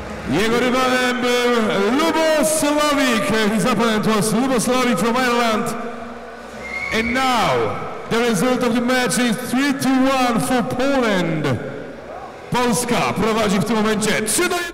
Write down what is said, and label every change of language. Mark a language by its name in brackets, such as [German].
[Polish] Jego rywalem był Luboslavik. Zapamiętam, to jest Luboslavik [English] from Ireland. And now the result of the match is 3-1 for Poland. [Polish] Polska prowadzi w tym momencie 3-1.